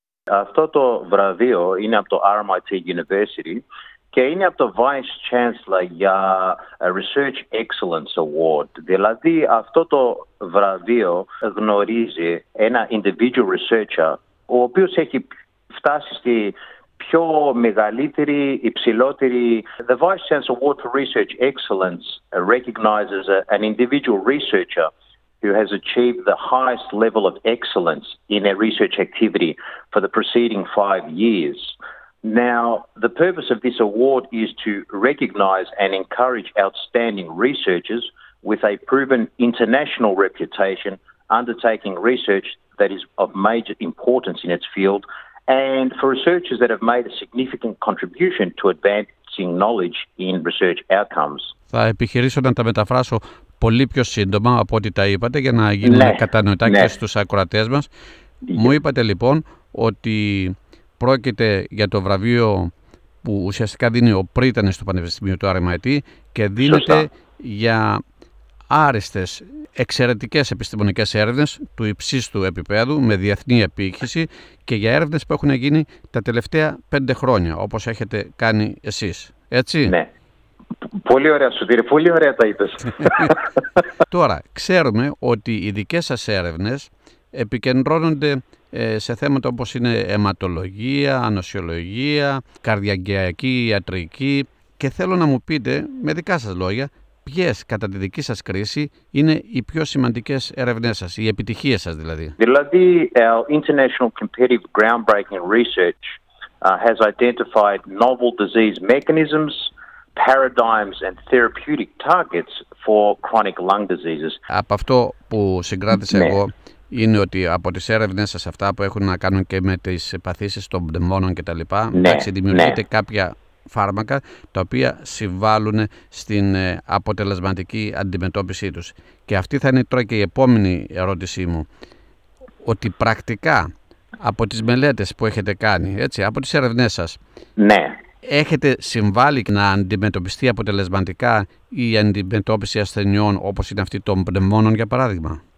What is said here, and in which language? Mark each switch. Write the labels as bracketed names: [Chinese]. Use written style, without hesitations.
[Greek] Αυτό το βραβείο είναι από το RMIT University και είναι από το Vice Chancellor για Research Excellence Award. Δηλαδή αυτό το βραβείο γνωρίζει ένα [English] individual researcher [Greek] ο οποίος έχει φτάσει στη πιο μεγαλύτερη, υψηλότερη. [English] The Vice Chancellor Award for Research Excellence recognizes an individual researcher who has achieved the highest level of excellence in a research activity for the preceding 5 years. Now, the purpose of this award is to recognize and encourage outstanding researchers with a proven international reputation undertaking research that is of major importance in its field, and for researchers that have made a significant contribution to advancing knowledge in research outcomes. [Greek] Θα επιχειρήσω να τα μεταφράσω πολύ πιο σύντομα από ό,τι τα είπατε για να γίνουν κατανοητά και στους ακροατές μας. Μου είπατε λοιπόν ότι πρόκειται για το βραβείο που ουσιαστικά δίνει ο Πρίτανης στο Πανεπιστημίο του RMIT και δίνεται για άριστες, εξαιρετικές επιστημονικές έρευνες του υψίστου επίπεδου με διεθνή επίκηση και για έρευνες που έχουν γίνει τα τελευταία 5 χρόνια, όπως έχετε κάνει εσείς. Έτσι? Ναι. Πολύ ωραία σου δίνει. Πολύ ωραία τα είπες. Τώρα, ξέρουμε ότι οι δικές σας έρευνες επικεντρώνονται σε θέματα όπως είναι αιματολογία, ανοσιολογία, καρδιαγκιακή, ιατρική και θέλω να μου πείτε με δικά σας λόγια ποιες κατά τη δική σας κρίση είναι οι πιο σημαντικές έρευνές σας, οι επιτυχίες σας δηλαδή. Δηλαδή, [English] our international competitive groundbreaking research has identified novel disease mechanisms, paradigms and therapeutic targets for chronic lung diseases. [Greek] Από αυτό που συγκράτησα εγώ είναι ότι από τις έρευνες σας αυτά που έχουν να κάνουν και με τις παθήσεις των πνευμόνων και τα λοιπά, δημιουργείται κάποια φάρμακα τα οποία συμβάλλουν στην αποτελεσματική αντιμετώπιση τους. Και αυτή θα είναι τώρα και η επόμενη ερώτησή μου. Ότι πρακτικά από τις μελέτες που έχετε κάνει, έτσι, από τις έρευνές σας, έχετε συμβάλει να αντιμετωπιστεί αποτελεσματικά η αντιμετώπιση ασθενειών όπως είναι αυτή των πνευμόνων για παράδειγμα?